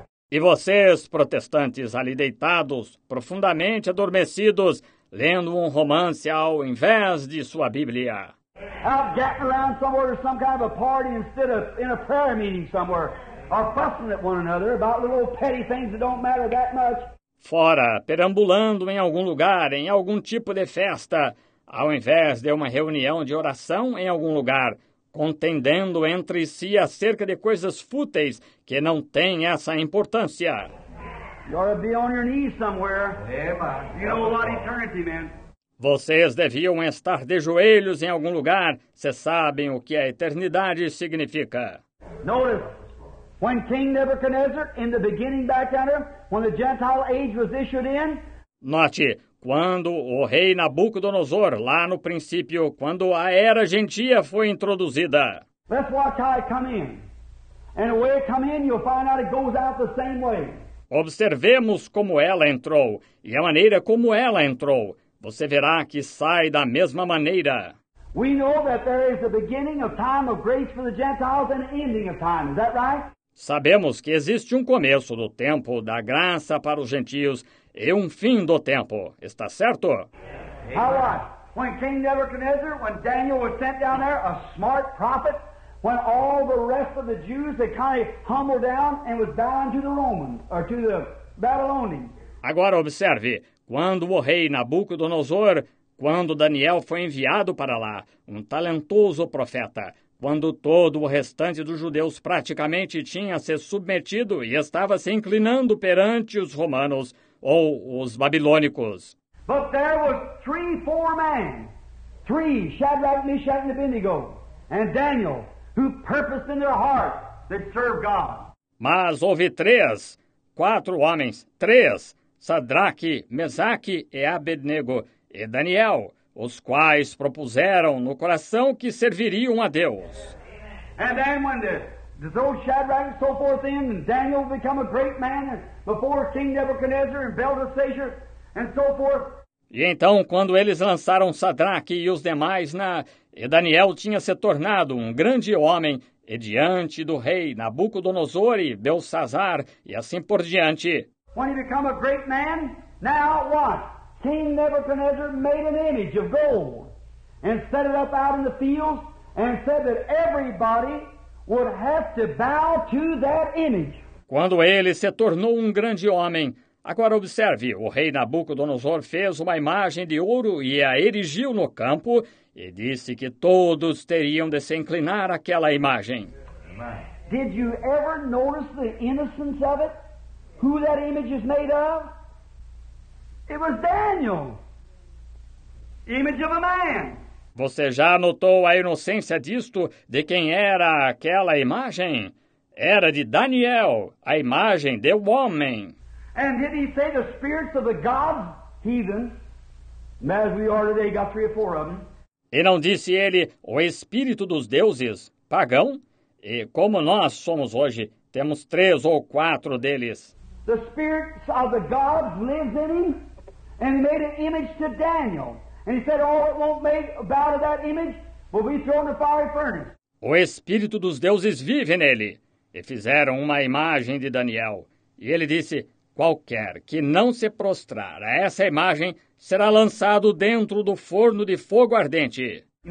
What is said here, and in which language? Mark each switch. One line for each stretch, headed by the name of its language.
Portuguese: E vocês, protestantes, ali deitados, profundamente adormecidos, lendo um romance ao invés de sua Bíblia.
English: Out getting around somewhere to some kind of a party instead of in a prayer meeting somewhere. Are fussing at one another about little petty things that don't matter that much.
Portuguese: Fora, perambulando em algum lugar, em algum tipo de festa, ao invés de uma reunião de oração em algum lugar, contendendo entre si acerca de coisas fúteis que não têm essa importância.
English: You ought to be on your knees somewhere. Yeah, you know a lot of eternity, man.
Portuguese: Vocês deviam estar de joelhos em algum lugar. Vocês sabem o que a eternidade significa.
English: Notice. When King Nebuchadnezzar, in the beginning back there, when the Gentile age was issued in.
Portuguese: Note, quando o rei Nabucodonosor, lá no princípio, quando a era gentia foi introduzida.
English: Let's watch how it come in. And the way it come in, you'll find out it goes out the same way.
Portuguese: Observemos como ela entrou, e a maneira como ela entrou. Você verá que sai da mesma maneira.
English: We know that there is a beginning of time of grace for the Gentiles and an ending of time. Is that right?
Portuguese: Sabemos que existe um começo do tempo da graça para os gentios e um fim do tempo. Está certo?
English: How long? When King Nebuchadnezzar, when Daniel was sent down there, a smart prophet, when all the rest of the Jews, they kind of humbled down and was bound to the Romans, or to the Babylonians.
Portuguese: Agora observe, quando o rei Nabucodonosor, quando Daniel foi enviado para lá, um talentoso profeta, quando todo o restante dos judeus praticamente tinha se submetido e estava se inclinando perante os romanos ou os babilônicos.
English: But there was three, four men, three, Shadrach, Meshach, and Abednego, and Daniel, who purposed in their heart to serve God.
Portuguese: Mas houve três, quatro homens, três, Sadraque, Mesaque e Abednego, e Daniel, os quais propuseram no coração que serviriam a Deus.
English: And then when the Shadrach and so forth in, and Daniel become a great man before King Nebuchadnezzar and Belshazzar, and so forth.
Portuguese: E então, quando eles lançaram Sadraque e os demais na... E Daniel tinha se tornado um grande homem, e diante do rei Nabucodonosor e Belsazar, e assim por diante.
English: When he became a great man, now what? King Nebuchadnezzar made an image of gold, and set it up out in the fields, and said that everybody would have to bow to that image.
Portuguese: Quando ele se tornou um grande homem... Agora observe, o rei Nabucodonosor fez uma imagem de ouro e a erigiu no campo e disse que todos teriam de se inclinar àquela imagem.
English: Did you ever notice the innocence of it? Who that image is made of? It was Daniel. Image of a man.
Portuguese: Você já notou a inocência disto, de quem era aquela imagem? Era de Daniel, a imagem de um homem.
English: And did he say the spirits of the gods, heathen, as we are today, got three or four of them.
Portuguese: E não disse ele, o espírito dos deuses, pagão? E como nós somos hoje, temos três ou quatro deles.
English: The spirits of the gods lives in him, and he made an image to Daniel. And he said, oh, it won't make a bow to that image, but we throw in the fiery furnace.
Portuguese: O espírito dos deuses vive nele. E fizeram uma imagem de Daniel. E ele disse... Qualquer que não se prostrar a essa imagem será lançado dentro do forno de fogo ardente.